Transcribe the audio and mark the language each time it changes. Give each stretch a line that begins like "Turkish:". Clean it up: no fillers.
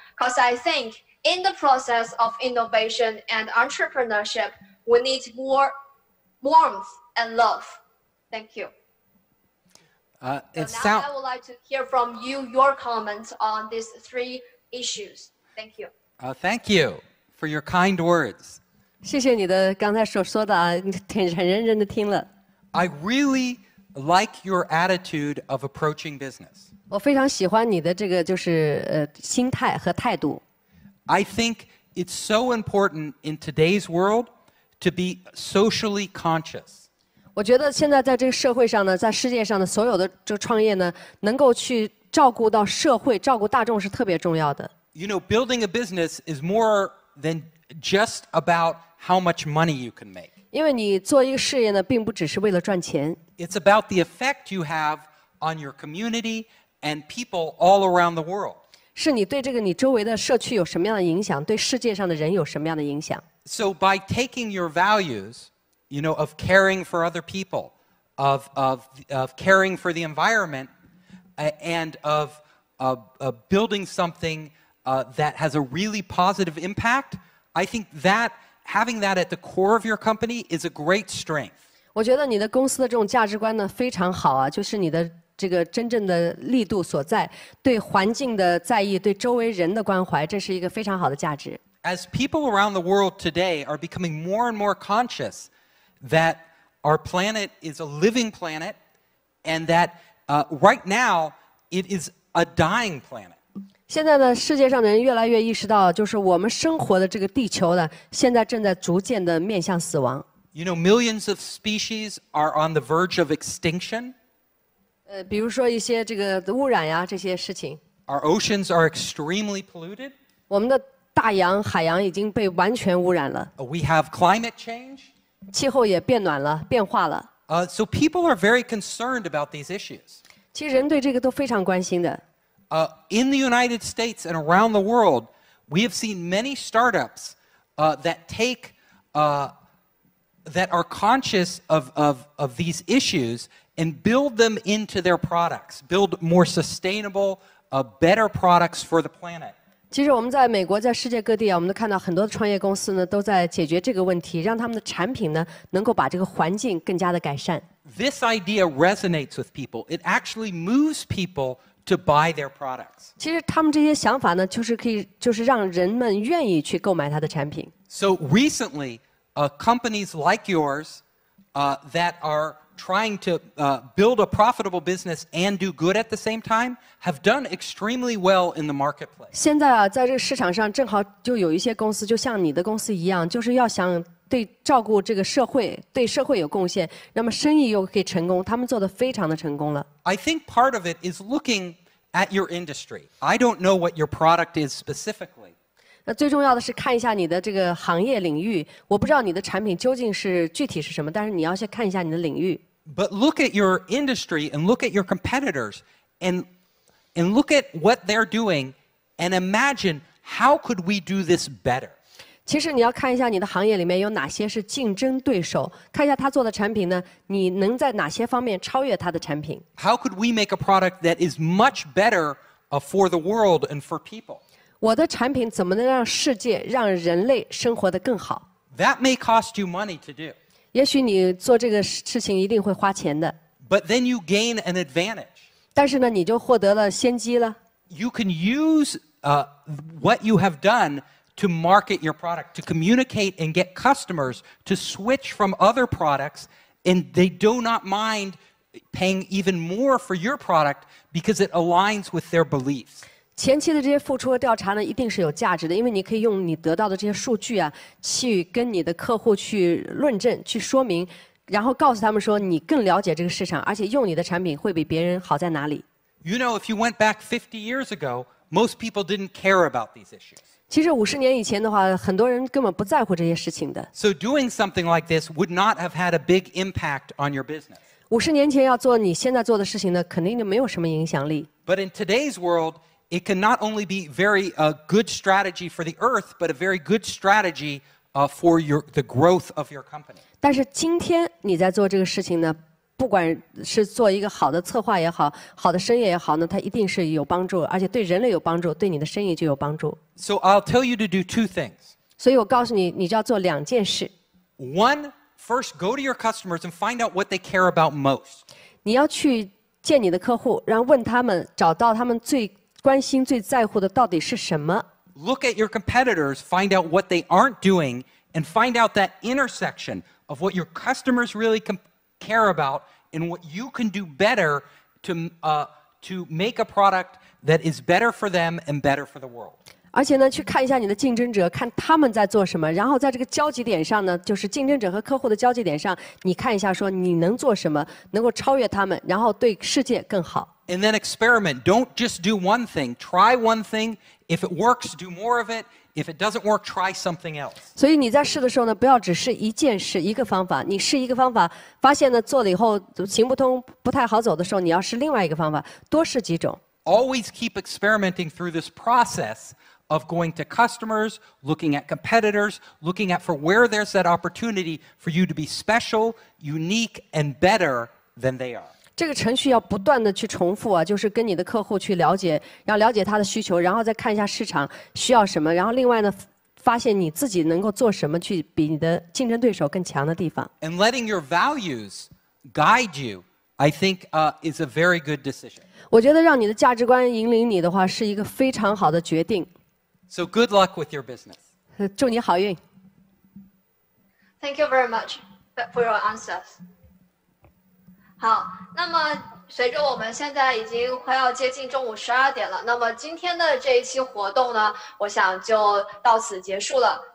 English: Because I think in the process of innovation and entrepreneurship, we need more warmth and love. Thank you. I would like to hear from you your comments on these three issues. Thank you. Thank you for your kind words.
Chinese: 谢谢你的刚才所说的啊，挺很认真的听了。
English: I really like your attitude of approaching business.
Chinese: 我非常喜欢你的这个就是心态和态度。
English: I think it's so important in today's world to be socially conscious.
Chinese: 我觉得现在在这个社会上呢，在世界上的所有的这个创业呢，能够去照顾到社会，照顾大众是特别重要的。
English: You know, building a business is more than just about how much money you can make.
Chinese: 因为你做一个事业呢，并不只是为了赚钱。
English: It's about the effect you have on your community and people all around the world.
Chinese: 是你对这个你周围的社区有什么样的影响，对世界上的人有什么样的影响。
English: So by taking your values, you know, of caring for other people, of caring for the environment, and of building something that has a really positive impact,I think that having that at the core of your company is a great strength.
Chinese: 我觉得你的公司的这种价值观呢非常好啊，就是你的这个真正的力度所在，对环境的在意，对周围人的关怀，这是一个非常好的价值。
English: As people around the world today are becoming more and more conscious that our planet is a living planet and that right now it is a dying planet.
Chinese: 现在呢，世界上的人越来越意识到，就是我们生活的这个地球呢，现在正在逐渐的面向死亡。
English: You know, millions of species are on the verge of extinction.
Chinese: 比如说一些这个污染呀这些事情。
English: Our oceans are extremely polluted.
Chinese: 我们的大洋、海洋已经被完全污染了。
English: We have climate change.
Chinese: 气候也变暖了，变化了。
English: So people are very concerned about these issues.
Chinese: 其实人对这个都非常关心的。
English: In the United States and around the world, we have seen many startups that are conscious of these issues and build them into their products, build more sustainable, better products for the planet.
Chinese: 其实我们在美国，在世界各地啊，我们都看到很多的创业公司呢，都在解决这个问题，让他们的产品呢，能够把这个环境更加的改善。
English: This idea resonates with people. It actually moves people. To buy their products.
Chinese: 其实他们这些想法呢，就是可以，就是让人们愿意去购买他的产品。
English: So recently, companies like yours, that are trying to build a profitable business and do good at the same time, have done extremely well in the marketplace.
Chinese: 现在啊，在这个市场上，正好就有一些公司，就像你的公司一样，就是要想对照顾这个社会，对社会有贡献，那么生意又可以成功，他们做得非常的成功了。
English: I think part of it is looking at your industry. I don't know what your product is specifically.
Chinese: 那最重要的是看一下你的这个行业领域，我不知道你的产品究竟是具体是什么，但是你要先看一下你的领域。
English: But look at your industry and look at your competitors and look at what they're doing and imagine how could we do this better.
Chinese: 其实你要看一下你的行业里面有哪些是竞争对手，看一下他做的产品呢，你能在哪些方面超越他的产品
English: ？How could we make a product that is much better for the world and for people？
Chinese: 我的产品怎么能让世界、让人类生活得更好
English: ？That may cost you money to do。
Chinese: 也许你做这个事情一定会花钱的。
English: But then you gain an advantage。
Chinese: 但是呢，你就获得了先机了。
English: You can use what you have done。 To market your product, to communicate and get customers to switch from other products, and they do not mind paying even more for your product because it aligns with their beliefs.
Chinese: 前期的这些付出和调查呢，一定是有价值的，因为你可以用你得到的这些数据啊，去跟你的客户去论证、去说明，然后告诉他们说你更了解这个市场，而且用你的产品会比别人好在哪里。
English: You know, if you went back 50 years ago, most people didn't care about these issues.
Chinese: 其实五十年以前的话，很多人根本不在乎这些事情的。
English: So doing something like this would not have had a big impact on your business.
Chinese: 五十年前要做你现在做的事情呢，肯定就没有什么影响力。
English: But in today's world, it can not only be very a good strategy for the earth, but a very good strategy for the growth of your company.
Chinese: 但是今天你在做这个事情呢，不管是做一个好的策划也好，好的生意也好，那它一定是有帮助，而且对人类有帮助，对你的生意就有帮助。
English: So I'll tell you to do two things.
Chinese: 所以我告诉你，你就要做两件事。
English: One, first, go to your customers and find out what they care about most.
Chinese: 你要去见你的客户，然后问他们，找到他们最关心、最在乎的到底是什么。
English: Look at your competitors, find out what they aren't doing, and find out that intersection of what your customers really care about and what you can do better to make a product that is better for them and better for the world.
Chinese: 而且呢，去看一下你的竞争者，看他们在做什么，然后在这个交集点上呢，就是竞争者和客户的交集点上，你看一下说你能做什么，能够超越他们，然后对世界更好。
English: And then experiment. Don't just do one thing. Try one thing. If it works, do more of it. If it doesn't work, try something else.
Chinese: 所以你在试的时候呢，不要只试一件事、一个方法。你试一个方法，发现呢做了以后行不通、不太好走的时候，你要试另外一个方法，多试几种。
English: Always keep experimenting through this process of going to customers, looking at competitors, looking at for where there's that opportunity for you to be special, unique, and better than they are.
Chinese: 这个程序要不断的去重复啊，就是跟你的客户去了解，然后了解他的需求，然后再看一下市场需要什么，然后另外呢，发现你自己能够做什么去比你的竞争对手更强的地方。
English: And letting your values guide you, I think, is a very good decision.
Chinese: 我觉得让你的价值观引领你的话，是一个非常好的决定。
English: So good luck with your business.
Chinese: 祝你好运。
English: Thank you very much for your answers.
Chinese: 好，那么随着我们现在已经快要接近中午十二点了，那么今天的这一期活动呢，我想就到此结束了。